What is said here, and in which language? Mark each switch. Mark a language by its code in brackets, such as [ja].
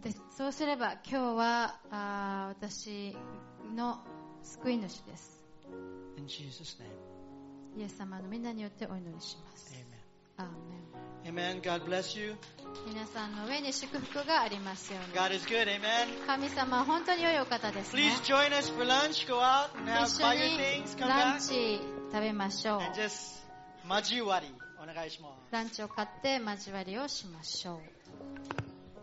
[ja] そうすれば今日は私の救い主です。 [en] In Jesus name. [ja] イエス様の皆によってお祈りします。 [en] Amen. Amen. Amen. God bless you. [ja] 皆さんの上に祝福がありますように。 [en] God is good. Amen. [ja] 神様は本当に良いお方ですね。 [en] Please join us for lunch. Go out and have buy your things. Come back. [ja] ランチ食べましょう。 [en] And just [ja] 交わりお願いします。ランチを買って交わりをしましょう。